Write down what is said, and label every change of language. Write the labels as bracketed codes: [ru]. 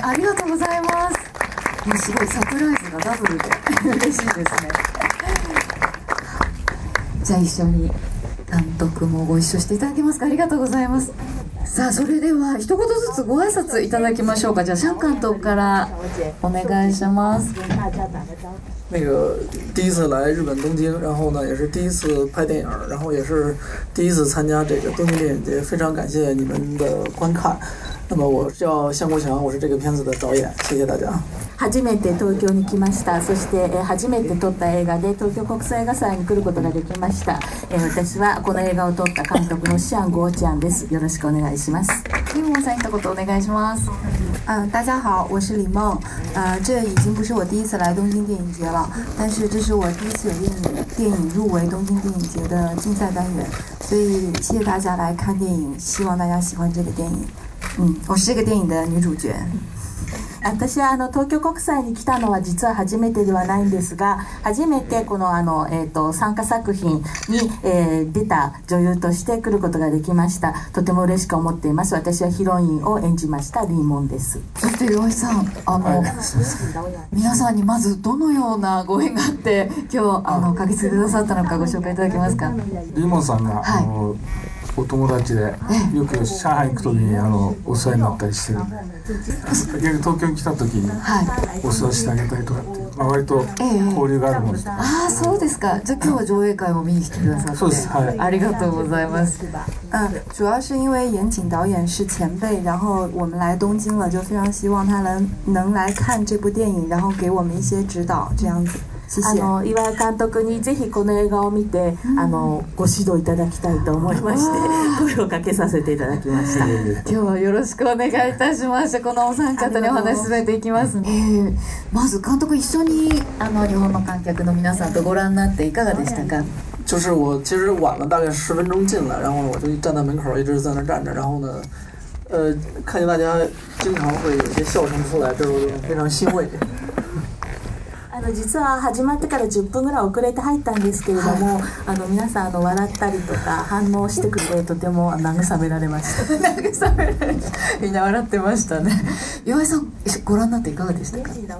[ja] ありがとうございます。もうすごいサプライズがダブルで嬉しいですね。じゃあ一緒に監督もご一緒していただけますか。ありがとうございます。さあ、それでは一言ずつご挨拶いただきましょうか。じゃあシャン監督からお願いします。 [zh] 那个第一次来日本东京，然后呢也是第一次拍电影，然后也是第一次参加这个东京电影节，非常感谢你们的观看。那么我叫向国强，我是这个片子的导演，谢谢大家。 [ja] 初めて東京に来ました。そして、初めて撮った映画で東京国際映画祭に来ることができました。私はこの映画を撮った監督のシアン・ゴーちゃんです。よろしくお願いします。リモンさん、一言お願いします。 [zh] 大家好，我是李梦。这已经不是我第一次来东京电影节了，但是这是我第一次有电影入围东京电影节的竞赛单元，所以谢谢大家来看电影，希望大家喜欢这个电影。我是这个电影的女主角。 [ja] 私は東京国際に来たのは実は初めてではないんですが、初めてこの参加作品に、出た女優として来ることができました。とても嬉しく思っています。私はヒロインを演じましたリーモンです。そして岩井さん、皆さんにまずどのようなご縁があって今日駆けつけてくださったのかご紹介いただけますか。リーモンさんが、はい、お友達でよく上海行くときにお世話になったりしてる。逆に東京に来たときにお世話してあげたりとかって、まあ、割と交流があるもんです。ああ、そうですか。じゃあ今日は上映会も見に来てくださって。そうです、はい、ありがとうございます。 [zh] 主要是因为岩井导演是前辈，然后我们来东京了，就非常希望他能来看这部电影，然后给我们一些指导，这样子。谢谢。 [ja] 岩井監督にぜひこの映画を見て、ご指導いただきたいと思いまして声をかけさせていただきました。今日はよろしくお願いいたします。このお三方にお話進めていきます、まず監督一緒に日本の観客の皆さんとご覧になっていかがでしたか。 [zh] 就是我其实晚了大概十分钟进来，然后我就站在门口一直在那站着，然后呢，看见大家经常会有些笑声出来，这是非常欣慰。 [ja] 実は始まってから10分ぐらい遅れて入ったんですけれども、はい、皆さん笑ったりとか反応してくれてとても慰められました。慰められました。みんな笑ってましたね。岩井さん、ご覧になっていかがでしたか。